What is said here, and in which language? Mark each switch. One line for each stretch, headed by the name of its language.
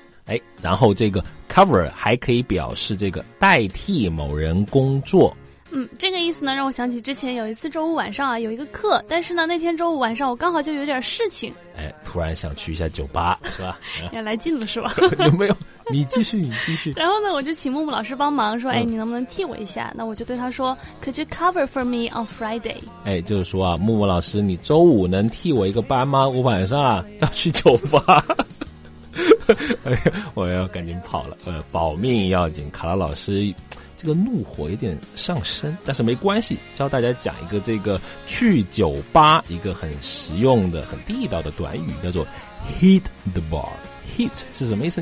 Chinese: 哎，然后这个 cover 还可以表示这个代替某人工作。嗯，这个意思呢，让我想起之前有一次周五晚上啊，有一个课，但是呢，那天周五晚上我刚好就有点事情，哎，突然想去一下酒吧，是吧？要来劲了，是吧？有没有？你继续，你继续。然后呢，我就请木木老师帮忙，说，哎，你能不能替我一下？那我就对他说 ，
English: Could you cover for me on Friday？
Chinese: 哎，就是说啊，木木老师，你周五能替我一个班吗？我晚上啊要去酒吧。哎呀，我要赶紧跑了，保命要紧，卡拉老师。这个怒火有点上升，但是没关系，教大家讲一个这个去酒吧一个很实用的很地道的短语，叫做
English: hit the bar。
Chinese: hit 是什么意思？